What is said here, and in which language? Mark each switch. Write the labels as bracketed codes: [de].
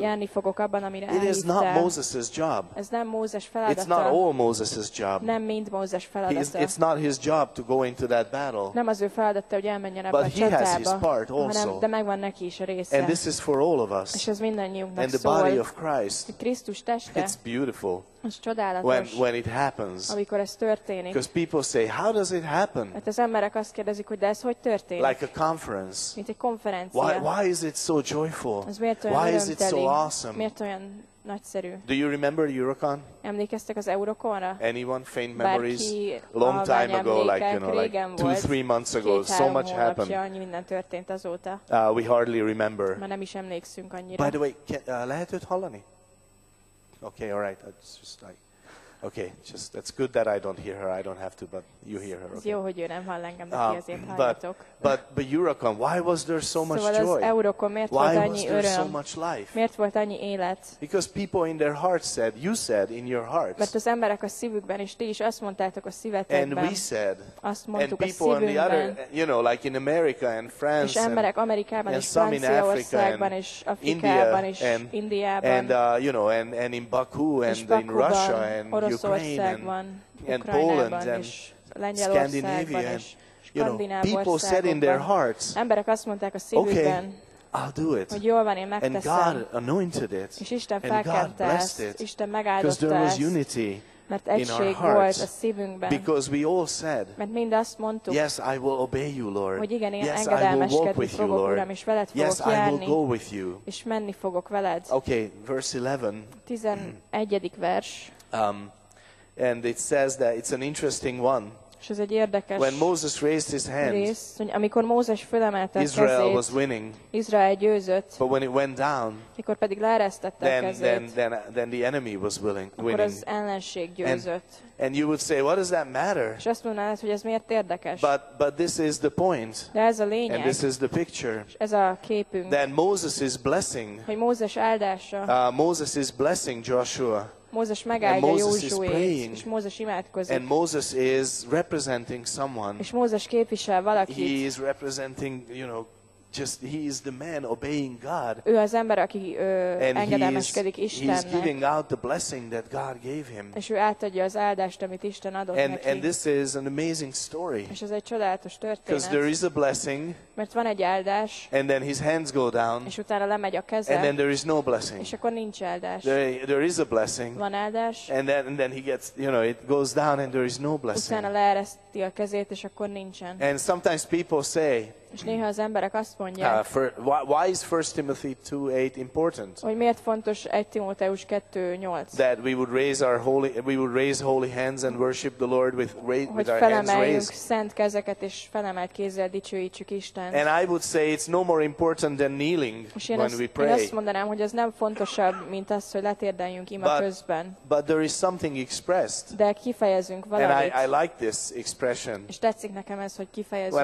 [hu] Járni fogok abban, amire elhívtál. [en] It is not Moses' job. [hu] Ez nem Mózes feladata. [en] It's not all Moses' job. [hu] Nem mind Mózes feladata. [en] It's not his job to go into that battle. [hu] Nem az ő feladata. Hogy elmenjen ebbe [en] but [hu] a csatába, [en] he has his part also. [hu] Hanem, de megvan neki is a része. [en] And this is for all of us. [hu] És ez mindannyiunknak [en] and the [hu] szól. [en] Body of Christ. [hu] Krisztus teste. [en] It's beautiful. [hu] Az csodálatos. [en] When it happens. [hu] Amikor ez történik. [en] Because people say, how does it happen? [hu] Hát az emberek azt kérdezik, hogy de ez hogy történik? [en] Like a conference. [hu] Mint egy konferencia. [en] Why is it so joyful? [hu] Ez miért olyan [en] why [hu] örömteli? [en] Is it so awesome? [hu] Miért olyan nagyszerű? [en] Do you remember Eurocon? [hu] Emlékeztek az Eurokonra? [en] Anyone faint memories? [hu] Bárki [en] long time ago, like you know, [hu] régen [en] like 2-3 months ago, so much happened. [hu] Annyi minden történt azóta. [en] We hardly remember. [hu] Már nem is emlékszünk annyira. [en] By the way, [hu] lehet őt hallani? [en] Okay, all right. That's just like, okay, just that's good that I don't hear her. I don't have to, but you hear her. Okay. [hu] Jó, hogy ő nem hall engem, de ti azért hallatok. [en] But Eurocon, why was there so much [hu] szóval [en] joy? [hu] Szóval az Eurocon, miért [en] why [hu] volt annyi öröm? [en] Why was there so much life? [hu] Miért volt annyi élet? [en] Because people in their hearts said, you said in your hearts. [hu] Mert az emberek a szívükben, és ti is azt mondtátok a szívetekben. [en] And we said, [hu] azt mondtuk [en] and people on the other, you know, like in America and France. [hu] És emberek Amerikában [en] and [hu] és Franciaországban és Afrikában [en] India, [hu] és Indiában. [en] And you know, and in Baku and in Russia and Ukraine and Poland and Scandinavia and, you know, people said in their hearts, okay, I'll do it. And God anointed it. And God blessed it. Because there was unity in our hearts. Because we all said, yes, I will obey you, Lord. Yes, I will walk with you, Lord. Yes, I will go with you. Okay, verse 11. [hu] 11. vers. [en] And it says that it's an interesting one. [hu] És ez egy érdekes [en] when Moses raised his hand, [hu] rész, hogy amikor Mózes fölemelte a kezét, [en] Israel was winning. [hu] Izrael győzött. [en] But when it went down, [hu] mikor pedig leeresztette [en] then, [hu] a kezét, [en] then the enemy was willing, winning. [hu] Akkor az ellenség győzött. [en] And you would say, what does that matter? [hu] És azt mondanád, hogy ez miért érdekes? [en] But this is the point. [hu] De ez a lényeg. [en] And this is the picture. [hu] Ez a képünk. [en] Then Moses is blessing. [hu] Hogy Mózes áldása. [en] Moses is blessing Joshua. [hu] Mózes megáldja Józsuét, és Mózes imádkozik. [en] And Moses is representing someone. [hu] És Mózes képvisel valakit. [en] He is representing, you know, just he is the man obeying God. [hu] Ő az ember, aki engedelmeskedik Istennek. [en] He is giving out the blessing that God gave him. [hu] És ő átadja az áldást, amit Isten adott neki. [en] And this is an amazing story. [hu] És ez egy csodálatos történet. [en] Because there is a blessing. [hu] Mert van egy áldás. [en] And then his hands go down. [hu] És utána lemegy a keze. [en] And then there is no blessing. [hu] És akkor nincs áldás. [en] There is a blessing. [hu] Van áldás. [en] And then he gets, you know, it goes down and there is no blessing. [hu] Utána leereszti a kezét, és akkor nincsen. [en] And sometimes people say, [hu] és néha az emberek azt mondják, [en] why is 1 Timothy 2:8 important? [hu] Hogy miért fontos 1 Timóteus 2:8? [en] That we would raise holy hands and worship the Lord with our hands raised. [hu] Hogy felemeljünk szent kezeket és felemelt kézzel dicsőítsük Istent. [en] And I would say it's no more important than kneeling when we pray. [hu] Én azt mondanám, hogy ez nem fontosabb, mint az, hogy letérdeljünk ima közben. [en] But there is something expressed. [hu] De kifejezünk valamit. [en] And I like this expression. [hu] És tetszik nekem ez, hogy kifejezünk